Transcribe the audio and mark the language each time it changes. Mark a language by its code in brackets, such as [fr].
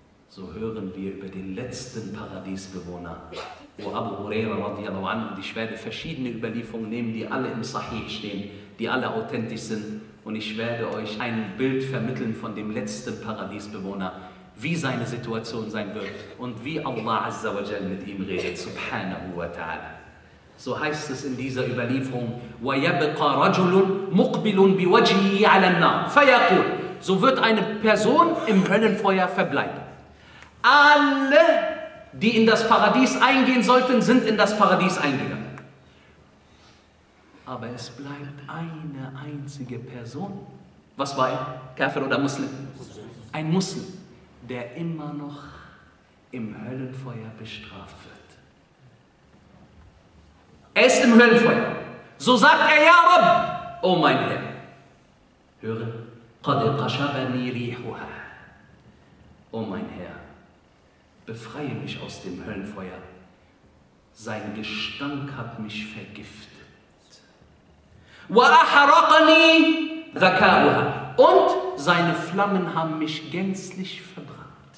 [de] So hören wir über den letzten Paradiesbewohner, wo Abu Huraira radiallahu anhu, und ich werde verschiedene Überlieferungen nehmen, die alle im Sahih stehen, die alle authentisch sind, und ich werde euch ein Bild vermitteln von dem letzten Paradiesbewohner, wie seine Situation sein wird und wie Allah Azza wa Jal mit ihm redet, subhanahu wa ta'ala. So heißt es in dieser Überlieferung, [ar] وَيَبْقَى رَجُلٌ مُقْبِلٌ بِوَجْهِهِ عَلَى النَّارِ فَيَقُولُ. [de] So wird eine Person im Höllenfeuer verbleiben. Alle, die in das Paradies eingehen sollten, sind in das Paradies eingegangen. Aber es bleibt eine einzige Person. Was war er? Kafir oder Muslim? Ein Muslim, der immer noch im Höllenfeuer bestraft wird. Er ist im Höllenfeuer. So sagt er, ja Rabb, oh mein Herr. Höre, [ar] قَدْ قَشَبَنِي رِيحُهَا. [de] Oh mein Herr, befreie mich aus dem Höllenfeuer. Sein Gestank hat mich vergiftet. [ar] وَأَحَرَقَنِي ذَكَاؤُهَا. [de] Und seine Flammen haben mich gänzlich verbrannt.